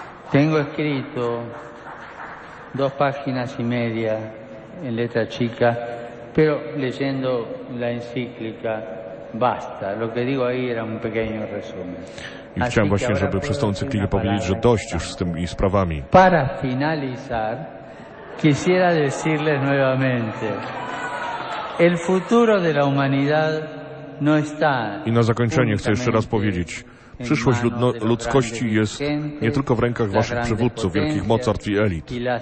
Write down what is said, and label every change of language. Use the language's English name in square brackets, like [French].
[Spanish] Tengo escrito dos páginas y media en letra chica, pero leyendo la encíclica basta. Lo que digo ahí era un pequeño resumen. [Polish] I chciałem właśnie, żeby przez tą encyklikę powiedzieć, że dość już z tymi sprawami. [Spanish] Para finalizar, quisiera decirles nuevamente, el futuro de la humanidad no está. [Polish] I na zakończenie chcę jeszcze raz powiedzieć, przyszłość ludzkości jest nie tylko w rękach waszych przywódców, wielkich mocarstw i elit.